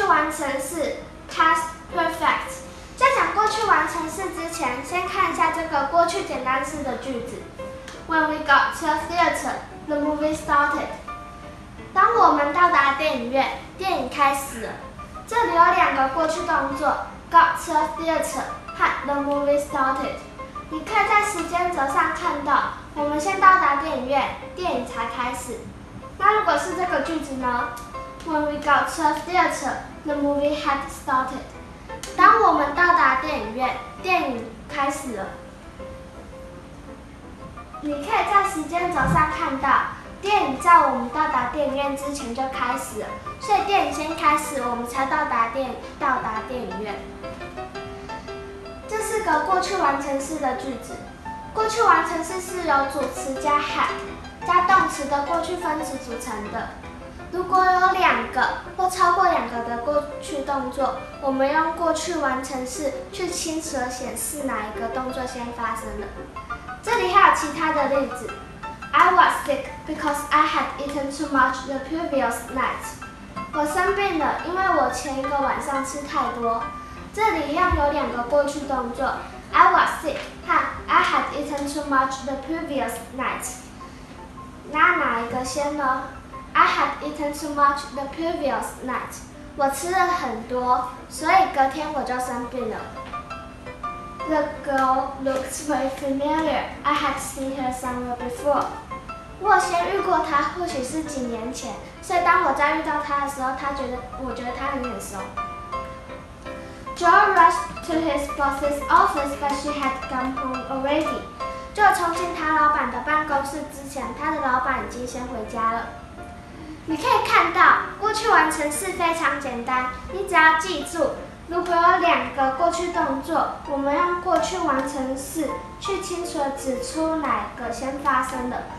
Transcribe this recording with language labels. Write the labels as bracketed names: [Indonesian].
[Chinese] 成式 past perfect。在讲过去完成式之前，先看一下这个过去简单式的句子。 [English] When we got to a theater, the movie started。 [Chinese] 当我们到达电影院，电影开始了。这里有两个过去动作， [English] got to a theater [Chinese] 和 [English] the movie started。 [Chinese] 你可以在时间轴上看到，我们先到达电影院，电影才开始。那如果是这个句子呢？ [English] When we got to a theater, the movie had started。 [Chinese] 当我们到达电影院，电影开始了。你可以在时间轴上看到，电影在我们到达电影院之前就开始了，所以电影先开始，我们才到达电影院。这是个过去完成式的句子。过去完成式是由主词加 had 加动词的过去分词组成的。如果有两个或超过两个的过去动作，我们用过去完成式去清楚地显示哪一个动作先发生了。这里还有其他的例子。 [English] I was sick because I had eaten too much the previous night。 [Chinese] 我生病了，因为我前一个晚上吃太多。这里一样有两个过去动作， [English] I was sick [Chinese] 和 [English] I had eaten too much the previous night。 [Chinese] 那哪一个先呢？ [English] I had eaten too much the previous night。 [Chinese] 我吃了很多，所以隔天我就生病了。 [English] The girl looked very familiar. I had seen her somewhere before。 [Chinese] 我先遇过她，或许是几年前，所以当我再遇到她的时候，我觉得她很眼熟。 [English] Joe rushed to his boss's office, but she had gone home already。 [Chinese] Joe 冲进他老板的办公室之前，他的老板已经先回家了。你可以看到，过去完成式非常简单，你只要记住，如果有两个过去动作，我们用过去完成式去清楚地指出哪个先发生的。